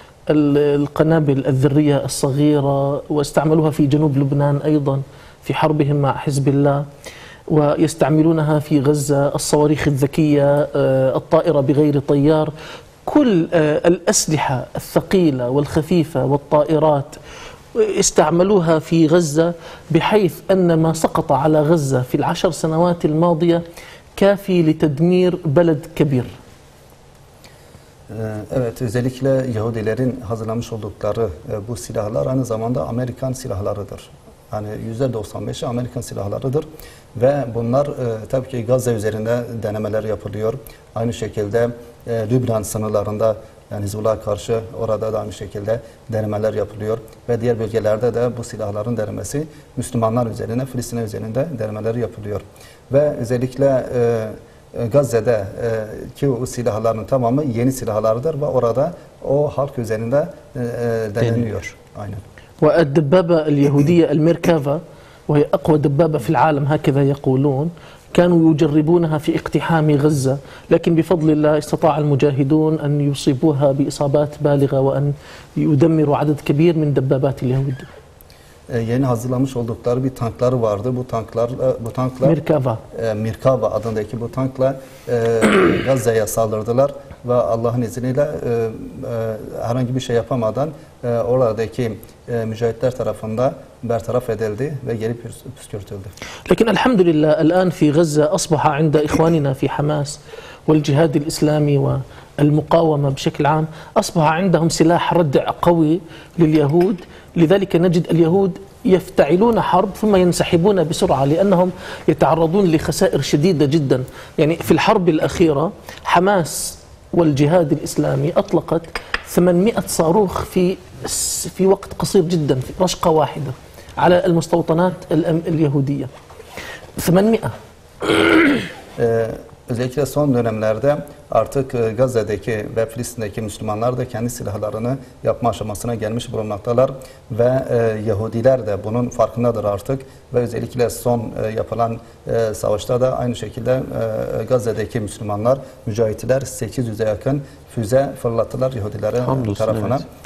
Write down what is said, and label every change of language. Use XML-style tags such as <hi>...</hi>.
<ar>القنابل الذرية الصغيرة، واستعملوها في جنوب لبنان أيضا في حربهم مع حزب الله، ويستعملونها في غزة، الصواريخ الذكية، الطائرة بغير طيار، كل الأسلحة الثقيلة والخفيفة والطائرات استعملوها في غزة، بحيث أن ما سقط على غزة في العشر سنوات الماضية كافي لتدمير بلد كبير.</ar> <tr>Evet, özellikle Yahudilerin hazırlamış oldukları bu silahlar aynı zamanda Amerikan silahlarıdır. Yani %95'i Amerikan silahlarıdır ve bunlar tabii ki Gazze üzerinde denemeler yapılıyor. Aynı şekilde Lübnan sınırlarında, yani Hizbullah'a karşı orada da aynı şekilde denemeler yapılıyor ve diğer bölgelerde de bu silahların denemesi Müslümanlar üzerine, Filistin üzerinde denemeler yapılıyor. Ve özellikle Gazze'de ki o silahların tamamı yeni silahlardır ve orada o halk üzerinde deneniyor. Aynen.</tr> <ar>والدبابة اليهودية الميركافا وهي أقوى دبابة في العالم هكذا يقولون، كانوا يجربونها في اقتحام غزة، لكن بفضل الله استطاع المجاهدون أن يصيبوها بإصابات بالغة وأن يدمروا عدد كبير من دبابات اليهود.</ar> <tr>Yeni hazırlamış oldukları bir tankları vardı. Bu tanklar Mirkava. Mirkava adındaki bu tankla Gazze'ye saldırdılar ve Allah'ın izniyle herhangi bir şey yapamadan oradaki mücahitler tarafından bertaraf edildi ve geri püskürtüldü.</tr> <ar>Lakin elhamdülillah الان في غزة اصبح عند اخواننا في حماس والجهاد الاسلامي و المقاومة بشكل عام أصبح عندهم سلاح ردع قوي لليهود، لذلك نجد اليهود يفتعلون حرب ثم ينسحبون بسرعة لأنهم يتعرضون لخسائر شديدة جدا. يعني في الحرب الأخيرة حماس والجهاد الإسلامي أطلقت 800 صاروخ في وقت قصير جدا، في رشقة واحدة على المستوطنات اليهودية 800.</ar> <tr>Özellikle son dönemlerde artık Gazze'deki ve Filistin'deki Müslümanlar da kendi silahlarını yapma aşamasına gelmiş bulunmaktalar ve Yahudiler de bunun farkındadır artık ve özellikle son yapılan savaşta da aynı şekilde Gazze'deki Müslümanlar, mücahitler 800'e yakın füze fırlattılar Yahudilere tarafına. Evet.</tr>